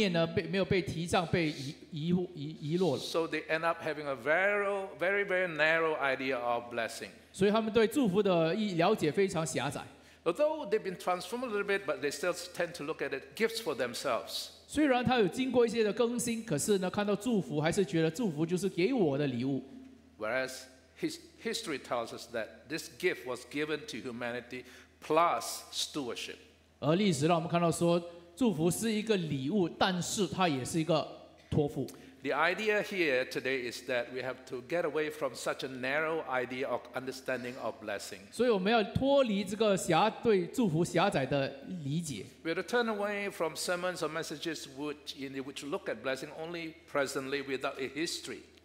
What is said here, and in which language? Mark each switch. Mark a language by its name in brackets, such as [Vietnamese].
[Chinese] 从咒诅得到自由的这个观念呢，没有被提上，被遗落了。 [English] So they end up having a very, very narrow idea of blessing. [Chinese] 所以他们对祝福的了解非常狭窄。 [English] Although they've been transformed a little bit, but they still tend to look at it gifts for themselves. [Chinese] 虽然他有经过一些的更新，可是呢，看到祝福还是觉得祝福就是给我的礼物。 [English] Whereas history tells us that this gift was given to humanity plus stewardship. [Chinese] 而历史让我们看到说，祝福是一个礼物，但是它也是一个托付。 [English] The idea here today is that we have to get away from such a narrow idea of understanding of blessing. [Chinese] 所以我们要脱离这个狭对祝福狭窄的理解。 [English] We have to turn away from sermons or messages which look at blessing only presently without a history.